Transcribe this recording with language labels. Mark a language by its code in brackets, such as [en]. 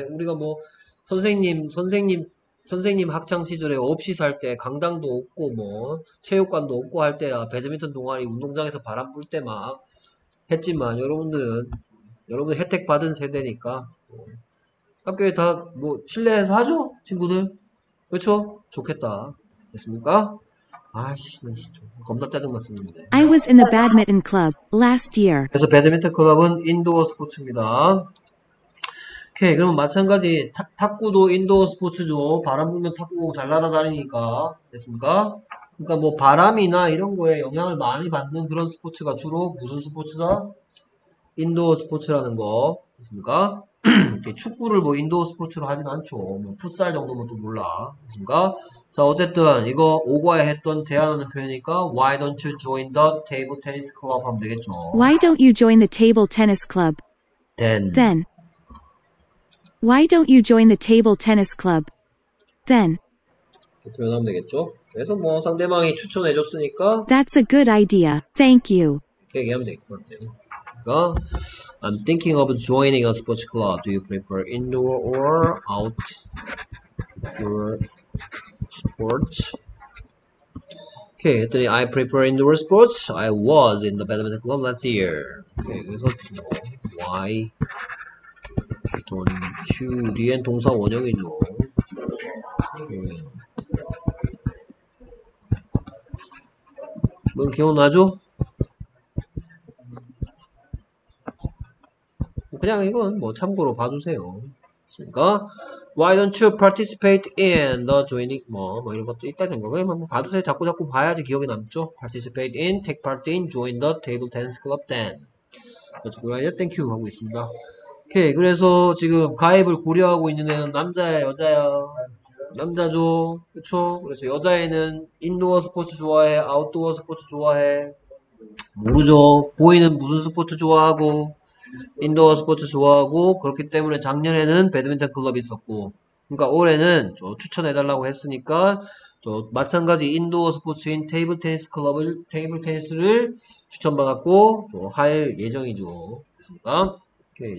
[ko] 우리가 뭐 선생님 학창 시절에 없이 살 때 강당도 없고 뭐 체육관도 없고 할 때야 배드민턴 동아리 운동장에서 바람 불 때 막 했지만 여러분들 혜택 받은 세대니까 학교에 다 뭐 실내에서 하죠? 친구들? 그렇죠? 좋겠다. 됐습니까? 아씨, 겁나 짜증났었는데. [en] I was in the badminton club last year. [ko] 그래서 배드민턴 클럽은 인도어 스포츠입니다. 오케이, 그러면 마찬가지 탁구도 인도어 스포츠죠. 바람 불면 탁구 잘 날아다니니까. 됐습니까? 그러니까 뭐 바람이나 이런 거에 영향을 많이 받는 그런 스포츠가 주로 무슨 스포츠다? 인도어 스포츠라는 거. 됐습니까? 축구를 뭐 인도어 스포츠로 하진 않죠. 뭐 풋살 정도면 또 몰라. 됐습니까? 자 어쨌든 이거 오과에 했던 제안하는 표현이니까 [en] Why don't you join the table tennis club [ko] 하면 되겠죠. [en] Why don't you join the table tennis club? Then. Then. Why don't you join the table tennis club? Then. [ko] 이렇게 표현하면 되겠죠. 그래서 뭐 상대방이 추천해줬으니까 [en] That's a good idea. Thank you. [ko] 이렇게 얘기하면 될 것 같아요. 그러니까 [en] I'm thinking of joining a sports club. Do you prefer indoor or outdoor? Sports. Okay, [ko] 했더니 [en] I prefer indoor sports. I was in the badminton club last year. Okay, [ko] 그래서 [en] why [ko] 동안 to 뒤엔 동사 원형이죠. 뭔 기억나죠? 그냥 이건 뭐 참고로 봐주세요. 그러니까 [en] why don't you participate in the joining [ko] 뭐 이런 것도 있다 이런 거 그냥 봐주세요. 자꾸 봐야지 기억이 남죠. [en] participate in, take part in, join the table tennis club then. [ko] 그렇죠. [en] Thank you [ko] 하고 있습니다. 오케이. 그래서 지금 가입을 고려하고 있는 애는 남자야 여자야? 남자죠. 그쵸? 그래서 여자애는 인도어 스포츠 좋아해? 아웃도어 스포츠 좋아해? 모르죠. 보이는 무슨 스포츠 좋아하고 인도어 스포츠 좋아하고 그렇기 때문에 작년에는 배드민턴 클럽이 있었고 그러니까 올해는 저 추천해달라고 했으니까 저 마찬가지 인도어 스포츠인 테이블 테니스 클럽을 테이블 테니스를 추천받았고 저 할 예정이죠. 됐습니까? 오케이.